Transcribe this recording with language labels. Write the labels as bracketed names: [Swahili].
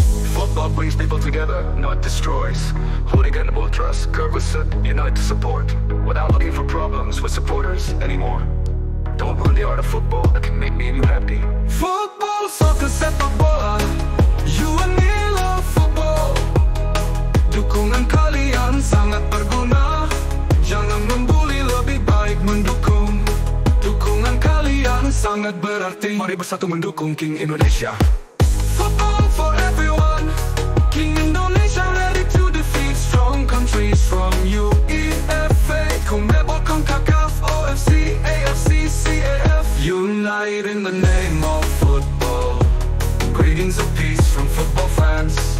[English] Football brings people together, not destroys. Hooligan Ultras, Kyrgyzstan, unite to support. Without looking for problems with supporters anymore. Don't ruin the art of football that can make me and you happy. Football, soccer, sepak bola. You and me love football. [Indonesian] Dukungan kalian sangat berguna. Jangan membuli, lebih baik mendukung. Dukungan kalian sangat berarti. Mari bersatu mendukung King Indonesia. [English] Football for everyone. King Indonesia ready to defeat strong countries from UEFA, CONMEBOL, CONCACAF, OFC, AFC, CAF. Unite in the name of football. Greetings of peace from football fans.